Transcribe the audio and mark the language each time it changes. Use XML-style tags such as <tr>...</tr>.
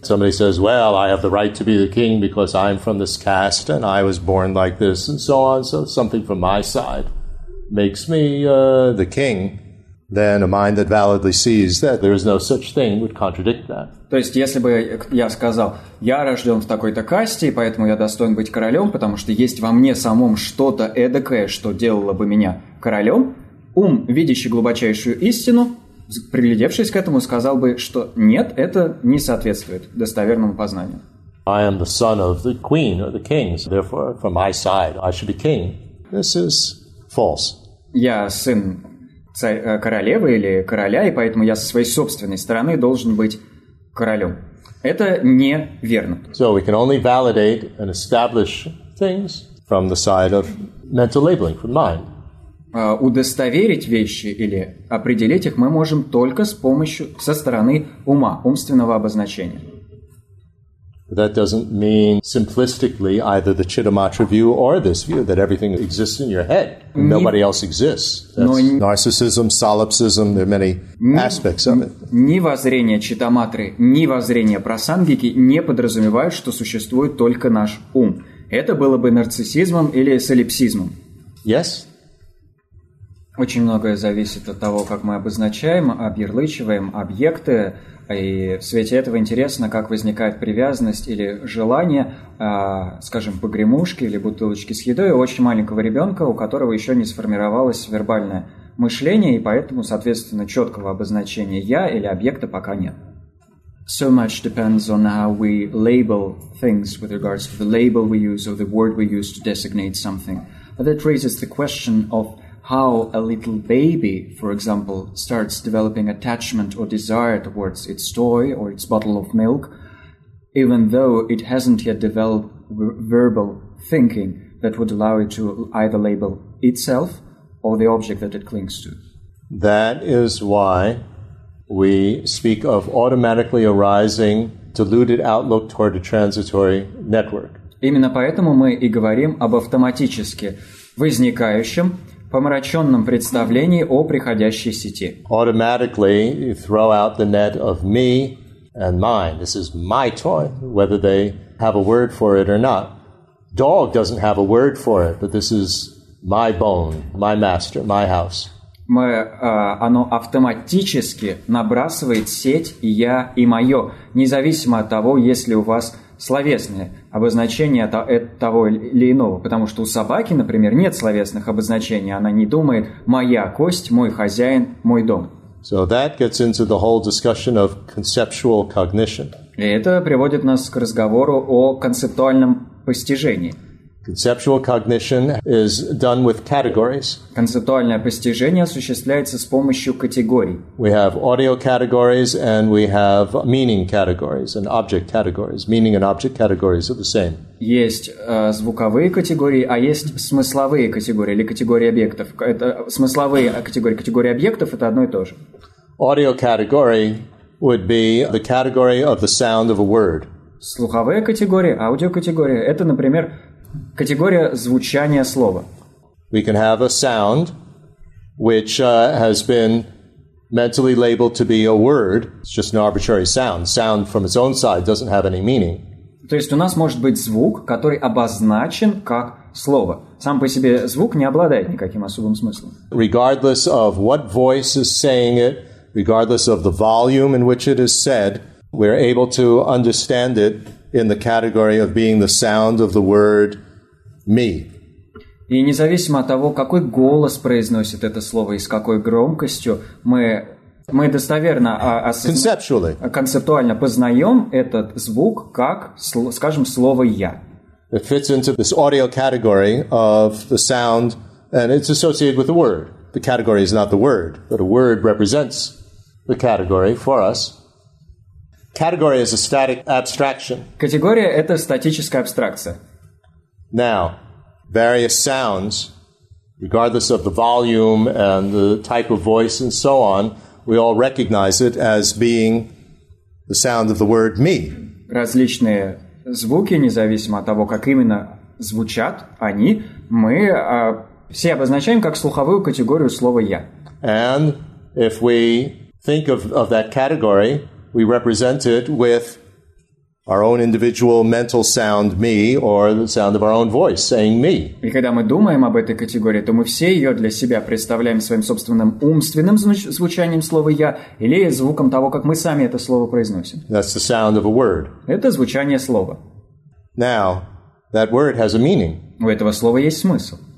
<en>Somebody says, well, I have the right to be the king because I'm from this caste and I was born like this and so on. So something from my side makes me the king. Then a mind that validly sees that there is no such thing would contradict that.</en> <ru>То есть, если бы я сказал, я рожден в такой-то касте, и поэтому я достоин быть королем, потому что есть во мне самом что-то эдакое, что делало бы меня королем, ум, видящий глубочайшую истину, приглядевшись к этому, сказал бы, что нет, это не соответствует достоверному познанию.</ru> <en>I am the son of the queen or the king, so therefore, from my side, I should be king. This is false.</en> <ru>Я сын королевы или короля, и поэтому я со своей собственной стороны должен быть королем. Это неверно.</ru> <en>So we can only validate and establish things from the side of mental labeling from mind.</en> <ru>Удостоверить вещи или определить их мы можем только с помощью со стороны ума, умственного обозначения.</ru> <en>That doesn't mean simplistically either the Chittamatra view or this view that everything exists in your head. Nobody else exists. That's narcissism, solipsism, there are many aspects of it.</en> <ru>Ни воззрение Читаматры, ни воззрение Прасангики не подразумевают, что существует только наш ум. Это было бы нарциссизмом или солипсизмом.</ru> <en>Yes.</en> <ru>Очень многое зависит от того, как мы обозначаем, объярлычиваем объекты. И в свете этого интересно, как возникает привязанность или желание, скажем, погремушки или бутылочки с едой у очень маленького ребенка, у которого еще не сформировалось вербальное мышление, и поэтому, соответственно, четкого обозначения «я» или объекта пока нет.</ru> <en>So much depends on how we label things with regards to the label we use or the word we use to designate something. But that raises the question of how a little baby, for example, starts developing attachment or desire towards its toy or its bottle of milk, even though it hasn't yet developed verbal thinking that would allow it to either label itself or the object that it clings to. That is why we speak of automatically arising deluded outlook toward a transitory network.</en> <ru>Именно поэтому мы и говорим об автоматически возникающем помраченном представлении о приходящей сети.</ru> <en>Automatically you throw out the net of me and mine. This is my toy, whether they have a word for it or not. Dog doesn't have a word for it, but this is my bone, my master, my house.</en> <ru>Оно автоматически набрасывает сеть «я» и «моё», независимо от того, есть ли у вас словесное обозначение того или иного. Потому что у собаки, например, нет словесных обозначений. Она не думает «моя кость», «мой хозяин», «мой дом».</ru> <en>So that gets into the whole discussion of conceptual cognition.</en> <ru>И это приводит нас к разговору о концептуальном постижении.</ru> <en>Conceptual cognition is done with categories.</en> <ru>Концептуальное постижение осуществляется с помощью категорий.</ru> <en>We have audio categories and we have meaning categories and object categories. Meaning and object categories are the same.</en> <ru>Есть звуковые категории, а есть смысловые категории или категории объектов. Это смысловые категории, категории объектов — это одно и то же.</ru> <en>Audio category would be the category of the sound of a word.</en> <ru>Слуховые категории, аудиокатегория — это, например, категория звучания слова.</ru> <en>We can have a sound which has been mentally labeled to be a word. It's just an arbitrary sound. Sound from its own side doesn't have any meaning.</en> <ru>То есть у нас может быть звук, который обозначен как слово. Сам по себе звук не обладает никаким особым смыслом.</ru> <en>Regardless of what voice is saying it, regardless of the volume in which it is said, we're able to understand it in the category of being the sound of the word me.</en> <ru>И независимо от того, какой голос произносит это слово и с какой громкостью, мы достоверно концептуально познаем этот звук как, скажем, слово я.</ru> <en>It fits into this audio category of the sound, and it's associated with the word. The category is not the word, but a word represents the category for us. Category is a static abstraction.</en> <ru>Категория — это статическая абстракция.</ru> <en>Now, various sounds, regardless of the volume and the type of voice and so on, we all recognize it as being the sound of the word me.</en> <ru>Различные звуки, независимо от того, как именно звучат они, мы все обозначаем как слуховую категорию слова «я».</ru> <en>And if we think of that category, we represent it with our own individual mental sound, me, or the sound of our own voice, saying me.</en> <ru>И когда мы думаем об этой категории, то мы все ее для себя представляем своим собственным умственным звучанием слова «я» или звуком того, как мы сами это слово произносим.</ru> <en>That's the sound of a word.</en> <ru>Это звучание слова.</ru> <en>Now, that word has a meaning.</en> <ru>У этого слова есть смысл.</ru>